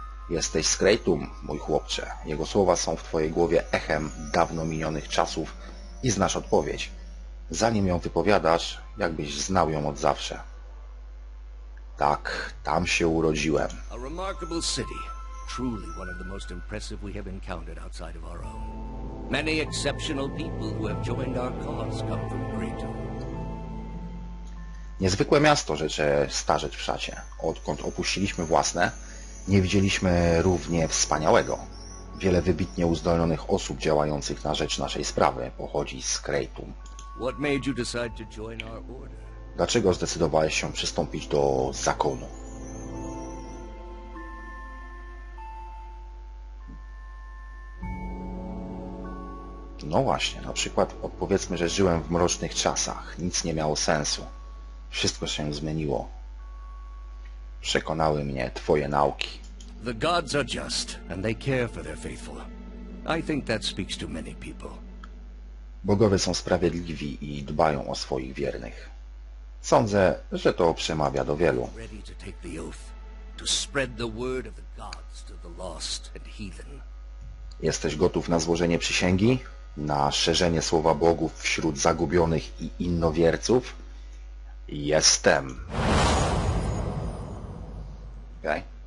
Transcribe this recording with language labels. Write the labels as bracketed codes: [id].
[pl] Jesteś z Kreytum, mój chłopcze. Jego słowa są w twojej głowie echem dawno minionych czasów i znasz odpowiedź. Zanim ją wypowiadasz, jakbyś znał ją od zawsze. Tak, tam się urodziłem. [en] A remarkable city. Truly one of the most impressive we have encountered outside of our own. Many exceptional people who have joined our cause come from Kreytum. [pl] Niezwykłe miasto, rzecze starzec w szacie. Odkąd opuściliśmy własne, nie widzieliśmy równie wspaniałego. Wiele wybitnie uzdolnionych osób działających na rzecz naszej sprawy pochodzi z Kreytum. [en] What made you decide to join our order? [pl] Dlaczego zdecydowałeś się przystąpić do zakonu? No właśnie, na przykład odpowiedzmy, że żyłem w mrocznych czasach. Nic nie miało sensu. Wszystko się zmieniło. Przekonały mnie twoje nauki. [en] The gods are just and they care for their faithful. I think that speaks to many people. [pl] Bogowie są sprawiedliwi i dbają o swoich wiernych. Sądzę, że to przemawia do wielu. [en] Ready to take the oath, to spread the word of the gods to the lost and heathen. [pl] Jesteś gotów na złożenie przysięgi? Na szerzenie słowa bogów wśród zagubionych i innowierców? Jestem. Okej.